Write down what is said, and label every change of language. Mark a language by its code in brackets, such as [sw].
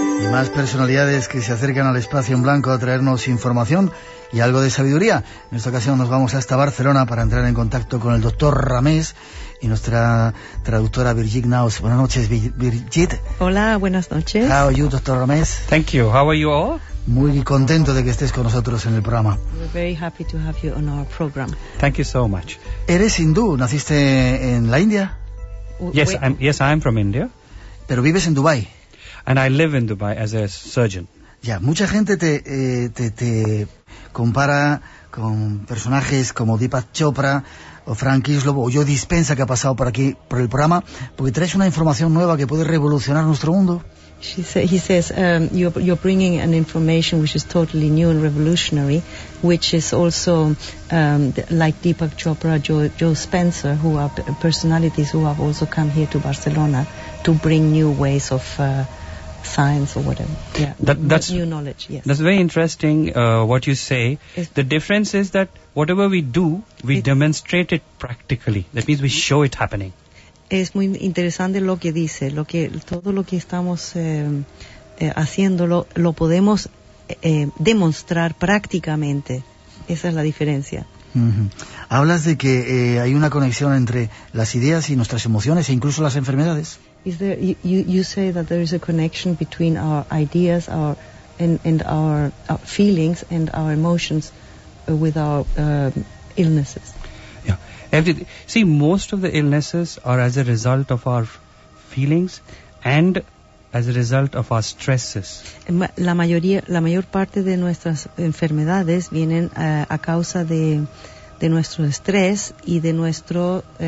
[es] Más personalidades que se acercan al espacio en blanco a traernos información y algo de sabiduría. En esta ocasión nos vamos hasta Barcelona para entrar en contacto con el doctor Ramés y nuestra traductora Birgit Naus. Buenas noches, Birgit. Hola, buenas noches. [en] How are you, doctor Ramés? Thank you. How are you all? [es] Muy contento de que estés con nosotros en el programa. [en] We're very happy to have you on our program. Thank you so much. [es] ¿Eres hindú? ¿Naciste en la India? [en] Yes, I'm from India. [es] Pero vives en Dubái. [en] And I live in Dubai as a surgeon. [es] Ya, mucha gente te compara con personajes como Deepak Chopra o Frank Islob o Joe Dispenza, que ha pasado por aquí por el programa, porque traes una información nueva que puede revolucionar nuestro mundo. [en] He says you're bringing an information which is totally new and revolutionary, which is also like Deepak Chopra, Joe Spencer, who are personalities who have also come here to Barcelona to bring new ways of science or whatever. Yeah, that's new knowledge. Yes, that's very interesting. What you say. The difference is that whatever we do, we demonstrate it practically. That means we show it happening. [es] Es muy interesante lo que dice. Lo que todo lo que estamos haciéndolo lo podemos demostrar prácticamente. Esa es la diferencia. Mm-hmm. Hablas de que hay una conexión entre las ideas y nuestras emociones e incluso las enfermedades. [en] Is there you say that there is a connection between our ideas, our feelings and our emotions with our illnesses? Yeah. Most of the illnesses are as a result of our feelings and as a result of our stresses. [es] La mayor parte de nuestras enfermedades vienen a causa de nuestro estrés y de nuestro